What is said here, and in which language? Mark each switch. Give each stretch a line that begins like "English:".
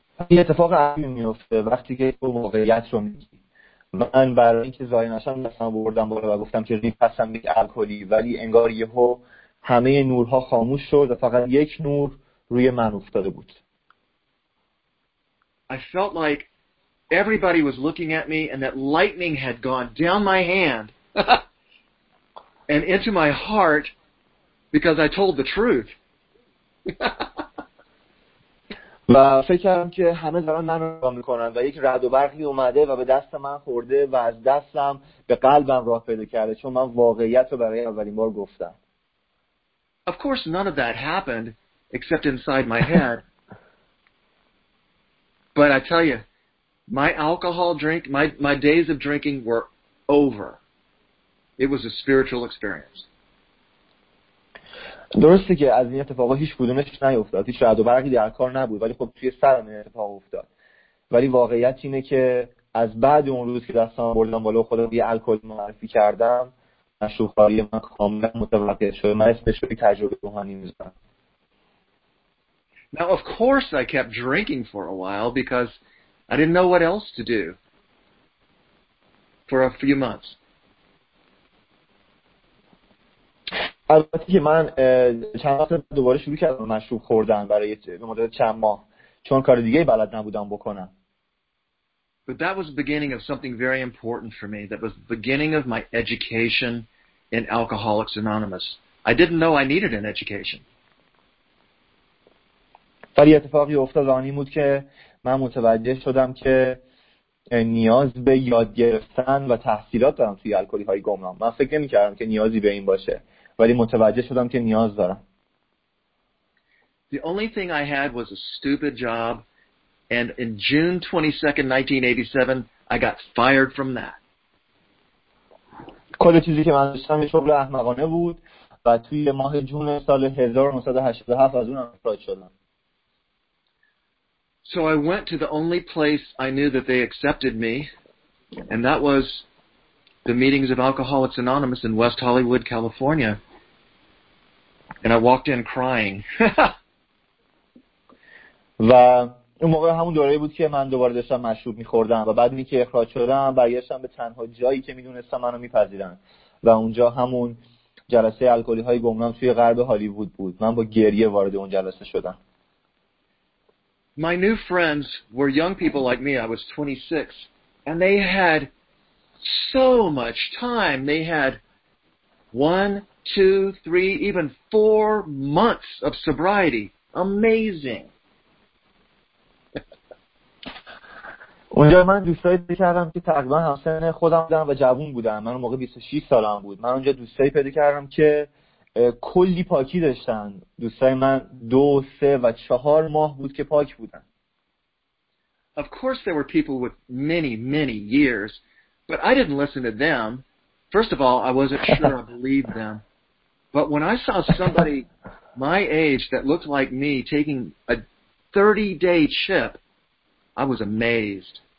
Persian: یه اتفاق عجیبی میفته وقتی که تو واقعیت رو میگی. من برای اینکه ظاهر نشم دستم بردم بالا و گفتم که ریپ هستم یک الکلی، ولی انگار یهو همه نورها خاموش شد و فقط یک نور روی من افتاده بود.
English: I felt like everybody was looking at me and that lightning had gone down my hand and into my heart because I told the truth.
Persian: و فکر کردم که همه دارن من رو نگاه میکنن و یک رعد و برقی اومده و به دست من خورده و از دستم به قلبم راه پیدا کرده چون من واقعیت رو برای اولین بار گفتم.
English: Of course none of that happened except inside my head. But I tell you, My alcohol drink, my days of drinking were over. It was a spiritual experience.
Persian: درسته که از این اتفاقا هیچ کدومش نیفتاد. هیچ رد و برقی در کار نبود. ولی خب توی سرم این اتفاق افتاد. ولی واقعیت اینه که از بعد اون روز که دستان بردم بالا و خودم یه الکل معرفی کردم، مشروبخواری من کاملا متوقف شد. من اسمش رو تجربه روحانی میزنم.
English: Now of course I kept drinking for a while because I didn't know what else to do for a few months.
Persian: البته که من چند وقت دوباره شروع کردم مشروب خوردن برای مدت چند ماه چون کار دیگه بلد نبودم بکنم.
English: But that was the beginning of something very important for me. That was the beginning of my education in Alcoholics Anonymous. I didn't know I needed an education.
Persian: ولی اتفاقی افتاد آن این بود که من متوجه شدم که نیاز به یاد گرفتن و تحصیلات دارم توی الکلی های گمنام. من فکر نمی کردم که نیازی به این باشه ولی متوجه شدم که نیاز دارم.
English: The only thing I had was a stupid job and in June 22nd, 1987 I got fired from that.
Persian: کل چیزی که من داشتم یه شغل احمقانه بود و توی ماه جون سال 1987 از اون اخراج شدم.
English: So I went to the only place I knew that they accepted me, and that was the meetings of Alcoholics Anonymous in West Hollywood, California. And I walked in crying.
Persian: و اون موقع همون دوره بود که من دوباره داشتم مشروب می‌خوردم و بعد اینکه اخراج شدم برگشتم به تنها جایی که می‌دونستم منو می‌پذیرن و اونجا همون جلسه الکلی‌های گمنام توی غرب هالیوود بود. من با گریه وارد اون جلسه شدم.
English: My new friends were young people like me. I was 26. And they had so much time. They had 1, 2, 3, even 4 months of sobriety. Amazing.
Persian: اونجا من دوستایی پیدا کردم که تقریبا همسن خودم بودن و جوان بودن. من اون موقع 26 سالم بود. من اونجا دوستایی پیدا کردم که کلی پاکی داشتن. دوستای من 2, 3, و 4 ماه بود که پاک بودن.
English: Of course there were people with many, many years, but I didn't listen to them. First of all, I wasn't sure I believed them. But when I saw somebody my age that looked like me taking a 30-day chip, I was amazed.